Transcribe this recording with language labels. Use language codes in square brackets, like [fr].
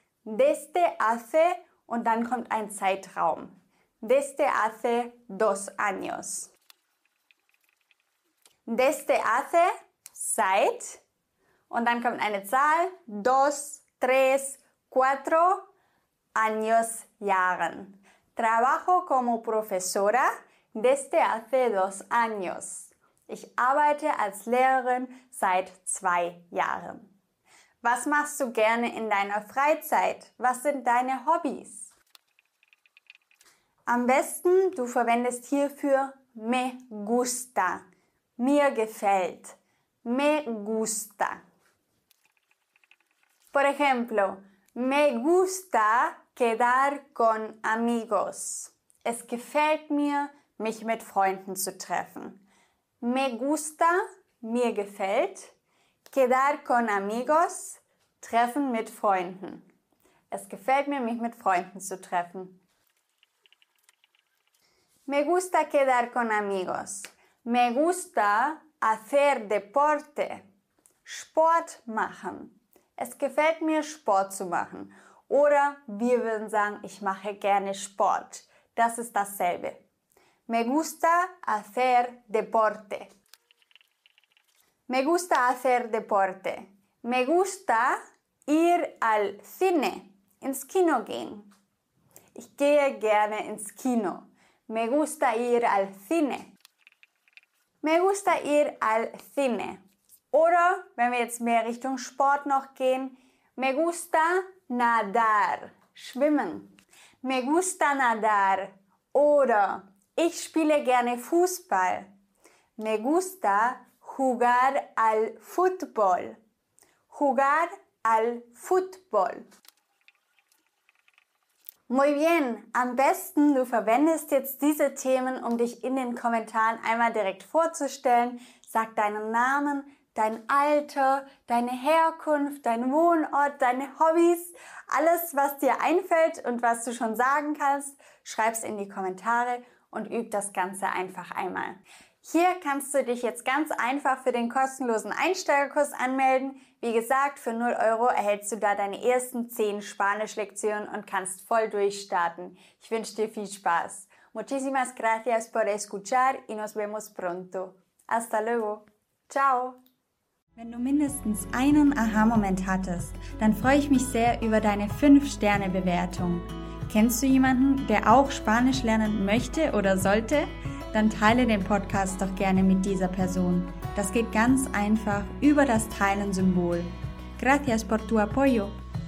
[es] Desde hace [de] und dann kommt ein Zeitraum. [es] Desde hace dos años. Desde hace, [de] seit, und dann kommt eine Zahl, [es] dos, tres, cuatro, años, [de] Jahren. [es] Trabajo como profesora desde hace dos años. [de] Ich arbeite als Lehrerin seit 2 Jahren. Was machst du gerne in deiner Freizeit? Was sind deine Hobbys? Am besten, du verwendest hierfür [es] me gusta. [de] Mir gefällt. [es] Me gusta. Por ejemplo, me gusta quedar con amigos. [de] Es gefällt mir, mich mit Freunden zu treffen. [es] Me gusta, [de] mir gefällt. [es] Quedar con amigos, [de] treffen mit Freunden. Es gefällt mir, mich mit Freunden zu treffen. [es] Me gusta quedar con amigos. Me gusta hacer deporte. [de] Sport machen. Es gefällt mir, Sport zu machen. Oder wir würden sagen, ich mache gerne Sport. Das ist dasselbe. [es] Me gusta hacer deporte. Me gusta hacer deporte. Me gusta ir al cine. [de] Ins Kino gehen. Ich gehe gerne ins Kino. [es] Me gusta ir al cine. Me gusta ir al cine. [de] Oder, wenn wir jetzt mehr Richtung Sport noch gehen, [es] me gusta nadar, [de] schwimmen. [es] Me gusta nadar. [de] Oder, ich spiele gerne Fußball. [es] Me gusta jugar al fútbol. Jugar al fútbol. Muy bien, [de] am besten du verwendest jetzt diese Themen, um dich in den Kommentaren einmal direkt vorzustellen. Sag deinen Namen, dein Alter, deine Herkunft, deinen Wohnort, deine Hobbys, alles, was dir einfällt und was du schon sagen kannst, schreib's in die Kommentare und üb das Ganze einfach einmal. Hier kannst du dich jetzt ganz einfach für den kostenlosen Einsteigerkurs anmelden. Wie gesagt, für 0 Euro erhältst du da deine ersten 10 Spanisch-Lektionen und kannst voll durchstarten. Ich wünsche dir viel Spaß. [es] Muchísimas gracias por escuchar y nos vemos pronto. Hasta luego. Ciao. [de] Wenn du mindestens einen Aha-Moment hattest, dann freue ich mich sehr über deine 5-Sterne-Bewertung. Kennst du jemanden, der auch Spanisch lernen möchte oder sollte? Dann teile den Podcast doch gerne mit dieser Person. Das geht ganz einfach über das Teilen-Symbol. [es] Gracias por tu apoyo.